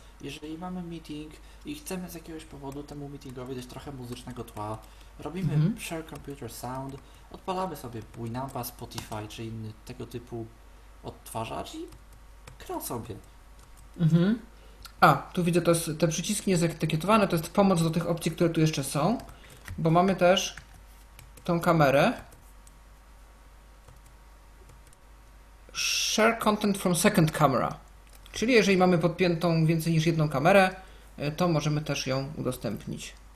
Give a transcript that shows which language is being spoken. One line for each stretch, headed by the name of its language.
Polish: Jeżeli mamy meeting i chcemy z jakiegoś powodu temu meetingowi dać trochę muzycznego tła, robimy Share Computer Sound, odpalamy sobie Winampa, Spotify czy inny tego typu odtwarzacz i krą sobie. Mhm. A, tu widzę, to jest, te przyciski niezetykietowane, to jest pomoc do tych opcji, które tu jeszcze są, bo mamy też tą kamerę.
English: Share content from second camera.
Polish: Czyli jeżeli mamy podpiętą więcej niż jedną kamerę, to możemy też ją udostępnić.